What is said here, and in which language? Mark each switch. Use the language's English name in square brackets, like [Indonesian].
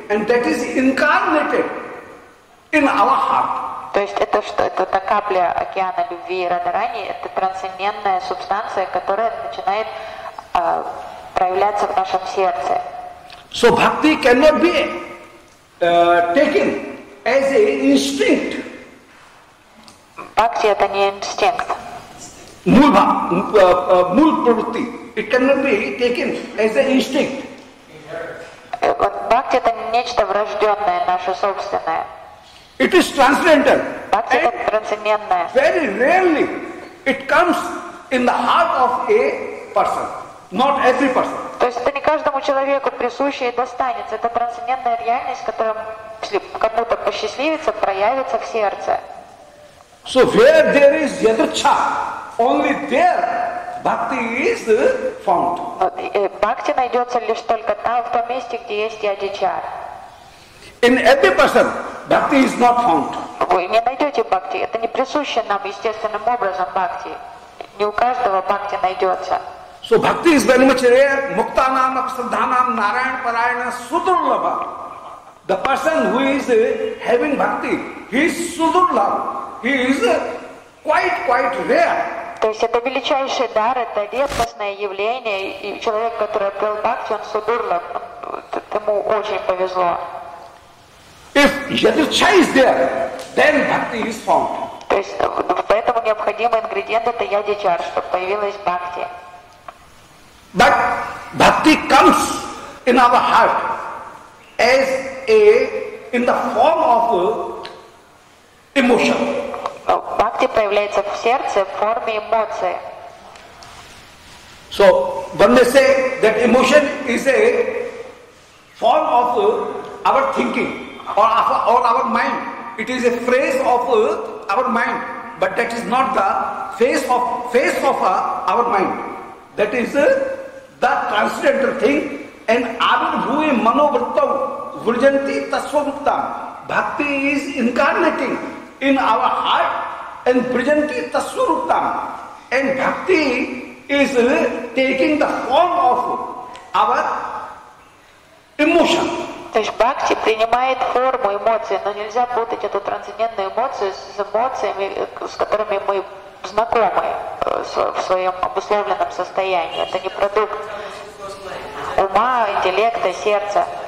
[English] And that is incarnated in our heart. [Russian] То есть это что? Это та капля океана любви Радхарани, это трансцендентная субстанция, которая начинает проявляться в нашем сердце. [English] So bhakti cannot be taken as an instinct. [Russian] Bhakti это не инстинкт. Мул прурти. [English] It cannot be taken as an instinct. [Russian] Бхакти это нечто врожденное, наше собственное. [English] It is transcendental. [Russian] Бхакти это трансцендентное. [English] Very rarely it comes in the heart of a person, not every person. [Russian] То есть это не каждому человеку присуще и достанется. Это трансцендентная реальность, которая, если кому-то посчастливится, проявится в сердце. [English] So where there is yadrucha, only there Bhakti is found. [Russian] Бхакти найдется лишь только там, в том месте, где есть ядичар. [English] In every person, bhakti is not found. [Russian] Вы не найдете бхакти. Это не присуще нам естественным образом бхакти. Не у каждого бхакти найдется. [English] So bhakti is very much rare. Muktanam, Apsadhanam, Narayan, Parayana, Sudurlabha. The person who is having bhakti, he is Sudurlabha. He is quite rare. [Russian] То есть это величайший дар, это редкостное явление, и человек, который обрел бхакти, он судурлаб, ему очень повезло. [English] If yadrucha is there, then bhakti is found. [Russian] То есть поэтому необходимый ингредиент это ядичар, чтобы появилась бхакти. [English] But bhakti comes in our heart as a in the form of emotion. [Russian] Бхакти появляется в сердце в форме эмоции. [English] So, when they say that emotion is a form of our thinking or our mind, it is a phrase of our mind, but that is not the face of our mind. That is the transcendental thing. And avirbhuvi manovrittam vrijanti tasvamuktam. Bhakti is incarnating in our heart and prajanti tasvaruptam, and bhakti is taking the form of our emotion. [Russian] То есть бхакти принимает форму эмоций, но нельзя путать эту трансцендентную эмоцию с эмоциями, с которыми мы знакомы в своем обусловленном состоянии. Это не продукт ума, интеллекта, сердца.